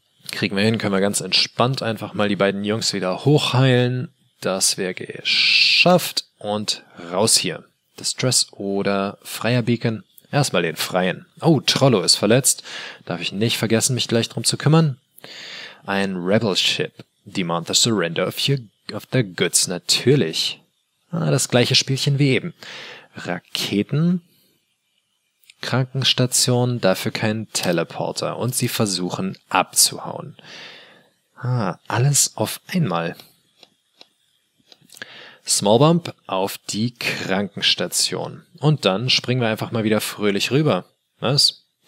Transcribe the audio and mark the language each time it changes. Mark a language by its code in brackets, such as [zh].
[de] Kriegen wir hin, können wir ganz entspannt einfach mal die beiden Jungs wieder hochheilen. Das wäre geschafft und raus hier. Distress oder freier Beacon? Erstmal den freien. Oh, Trollo ist verletzt. Darf ich nicht vergessen, mich gleich drum zu kümmern? Ein Rebel Ship. [en] Demand the surrender of the goods. [de] Natürlich. Ah, das gleiche Spielchen wie eben. Raketen. Krankenstation, dafür keinen Teleporter. Und sie versuchen abzuhauen. Ah, alles auf einmal. Small Bump auf die Krankenstation. Und dann springen wir einfach mal wieder fröhlich rüber. Was?